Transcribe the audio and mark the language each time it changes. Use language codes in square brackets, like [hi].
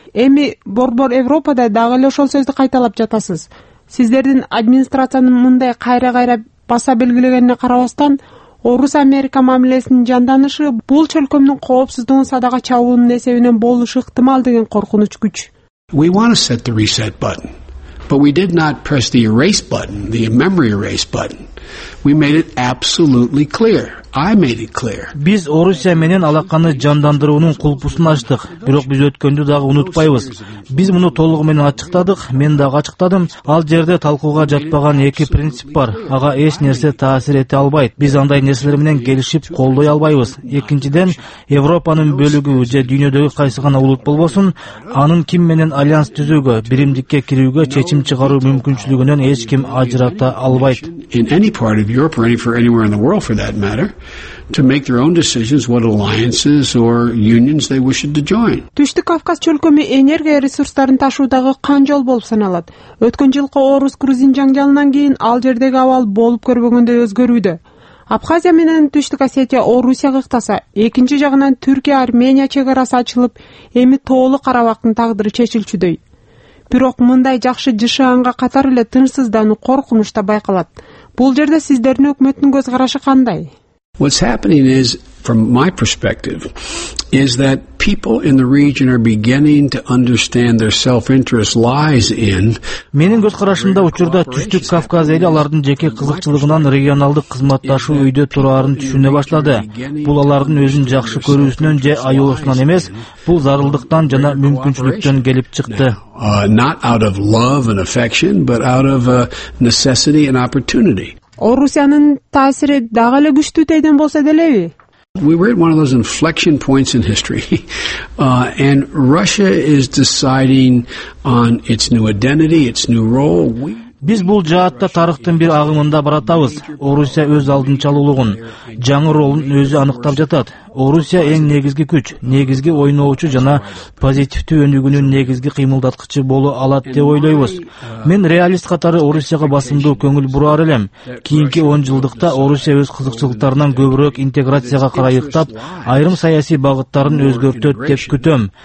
[ky] Эми борбор Европада дагы эле ошол сөздү кайталап жатасыз. Сиздердин администрациянын мындай кайра-кайра баса белгилегенине карабастан, Орус Америка мамилесинин жанданышы бул чөлкөмдүн коопсуздугун садага чабуунун эсебинен болушу ыктымал деген коркунуч күч. [en] We want to set the reset button. But we did not press the erase button, the memory erase button. We made it absolutely clear. I made it clear. [ky] Биз Орусия менен алаканы жандандыруунун кулпусун ачтык, бирок биз өткөндү дагы унутпайбыз. Биз муну толугу менен ачыктадык, мен дагы ачыктадым. Ал жерде талкууга жатпаган эки принцип бар. Ага эч нерсе таасир эте албайт. Биз андай нерселер менен келишип колдой албайбыз. Экинчиден, Европанын бөлүгү же дүйнөдөгү кайсы гана улут болбосун, анын ким менен альянс түзүүгө, биримдикке кирүүгө чечим чыгаруу мүмкүнчүлүгүнөн эч ким ажырата албайт. [en] In any part of Europe or anywhere in the world for that matter. To make their own decisions what alliances or unions they wish to join. [ky] Түштүк Кавказ чөлкөмү энергия ресурстарын ташуудагы кан жол болуп саналат. Өткөн жылкы Орус-Грузин жаңжалынан кийин ал жердеги абал болуп көрбөгөндөй өзгөрүүдө. Абхазия менен Түштүк Осетия Орусияга ыктаса, экинчи жагынан Түркия Армения чек арасы ачылып, эми Тоолу Карабактын тагдыры чечилчүдөй. Бирок мындай жакшы жышыганга катар эле тынчсыздануу коркунуч да байкалат. Бул жерде сиздердин өкмөттүн көз карашы кандай? [en] What's happening is, from my perspective, is that people in the region are beginning to understand their self-interest lies in. [ky] Менин көз карашымда учурда Түштүк Кавказ эли алардын жеке кызыкчылыгынан региональдык кызматташуу үйдө тураарын түшүнө башлады. Бул алардын өзүн жакшы көрүүсүнөн же аялоосунан эмес, бул зарылдыктан жана мүмкүнчүлүктөн келип чыкты. [en] Not out of love and affection, but out of necessity and opportunity. [ky] Орусиянын таасири дагы эле күчтүү тейден болсо делеби? [en] We were at one of those inflection points in history. And Russia is deciding on its new identity, its new role. [ky] Биз бул жаатта тарыхтын бир агымында баратабыз. Орусия өз алдынчалуулугун, жаңы ролун өзү аныктап жатат. Орусия эң негизги күч, негизги ойноочу жана позитивдүү өнүгүүнүн негизги кыймылдаткычы боло алат деп ойлойбуз. Мен реалист катары Орусияга басымдуу көңүл бурар элем. Кийинки 10 жылдыкта Орусия өз кызыкчылыктарынан көбүрөөк интеграцияга карай ыктап, айрым саясий багыттарын өзгөртөт деп күтөм.